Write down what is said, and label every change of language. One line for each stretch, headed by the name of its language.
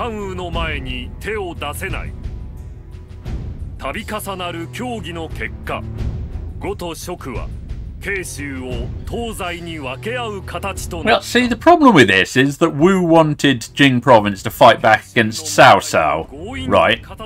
English: Yeah, it's not much of a promise, is it?
Japanese: 度重なる協議の結果、呉と蜀は慶州を東西に分け合う形となった。
English: Well, see, the problem with this is that Wu wanted Jing Province to fight back against Cao Cao, right?